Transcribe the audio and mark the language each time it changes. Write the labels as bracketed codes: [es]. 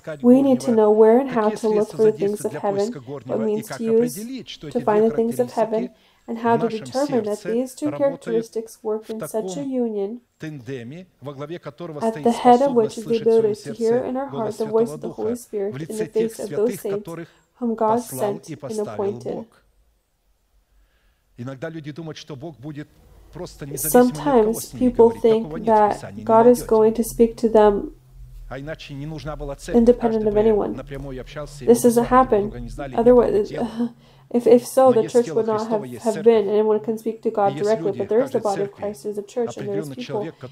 [en] We need to know where and how to look for the things of heaven, what means to use to find the things of heaven, and how to determine that these two characteristics work in such a union, at the head of which is the ability to hear in our heart the voice of the Holy Spirit in the face of those saints whom God sent and appointed. [ru] Иногда люди думают, что Бог будет. [en] Sometimes people think that God is going to speak to them independent of anyone. This doesn't happen. Otherwise, if so, the church would not have been. Anyone can speak to God directly, but there is the body of Christ, there is a church, and there is people.